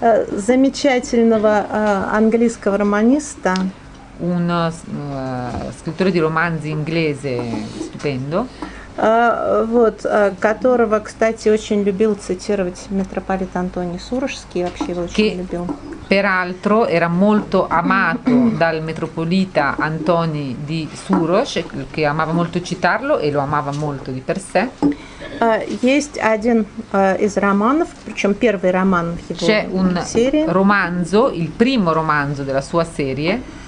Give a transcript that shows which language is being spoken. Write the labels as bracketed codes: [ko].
[ru] Замечательного английского романиста. [it] Un scrittore di romanzi inglese stupendo. [ru] Вот, которого, кстати, очень любил цитировать митрополит Антоний Сурожский, вообще его очень любил. [it] Peraltro era molto amato dal metropolita Antoni di Suroš, che amava molto citarlo e lo amava molto di per sé. [ru] Есть один из романов, причем первый роман в его [it] C'è un serie. Romanzo, il primo romanzo della sua serie,